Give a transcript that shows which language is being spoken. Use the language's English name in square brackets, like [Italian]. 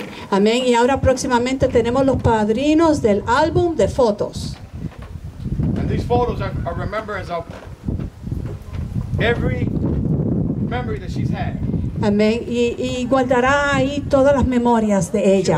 [Spanish] Amén. Y ahora próximamente tenemos los padrinos del álbum de fotos. [English] And these photos are remembrance of every memory that she's had. [Spanish] Amén. Y guardará ahí todas las memorias de ella.